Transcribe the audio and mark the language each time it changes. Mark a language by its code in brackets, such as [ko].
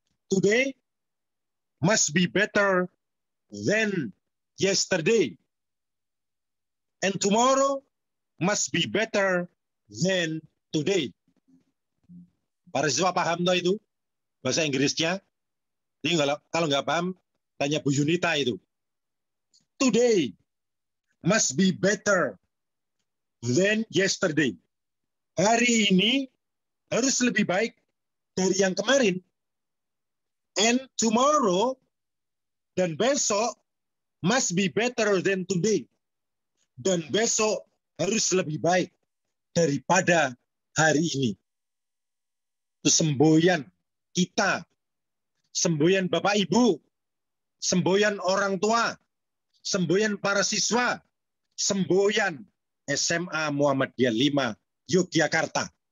[en] Today must be better than yesterday, and tomorrow must be better than today. [id] Para siswa paham toh itu bahasa Inggrisnya? Jadi kalau nggak paham, tanya Bu Yunita itu. [en] Today must be better than yesterday. [id] Hari ini harus lebih baik dari yang kemarin. [en] And tomorrow, [id] dan besok, [en] must be better than today. [id] Dan besok harus lebih baik daripada hari ini. Itu semboyan kita, semboyan Bapak Ibu, semboyan orang tua, semboyan para siswa, semboyan SMA Muhammadiyah 5 Yogyakarta.